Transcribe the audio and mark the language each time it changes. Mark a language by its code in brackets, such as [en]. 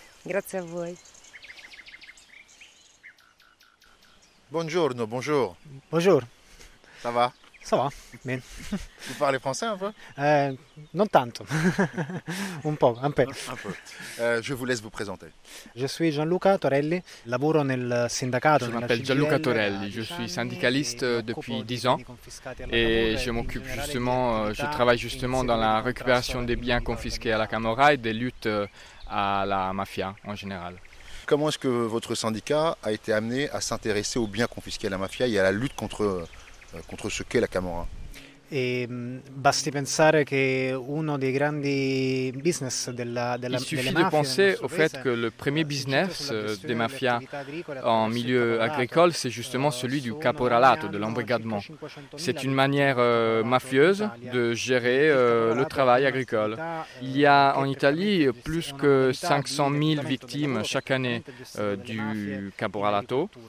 [it] Grazie a voi. [fr] Bonjour, non, bonjour. Bonjour. Ça va? Ça va, bien. Vous parlez français un peu? [it] Non tanto. [fr] Un peu, un peu. Je vous laisse vous présenter. Je suis [it] Gianluca Torelli, lavoro nel sindacato. [fr] Je m'appelle Gianluca Torelli, je suis syndicaliste depuis 10 ans et je travaille justement dans la récupération des biens confisqués à la Camorra et des luttes à la mafia en général. Comment est-ce que votre syndicat a été amené à s'intéresser aux biens confisqués à la mafia et à la lutte contre ce qu'est la Camorra ? [it] Basti pensare che uno dei grandi business [fr] il suffit de penser au fait que le premier business des mafias en milieu agricole, c'est justement celui du caporalato, de l'embrigadement. C'est une manière mafieuse de gérer le travail agricole. Il y a en Italie plus que 500 000 victimes chaque année du caporalato.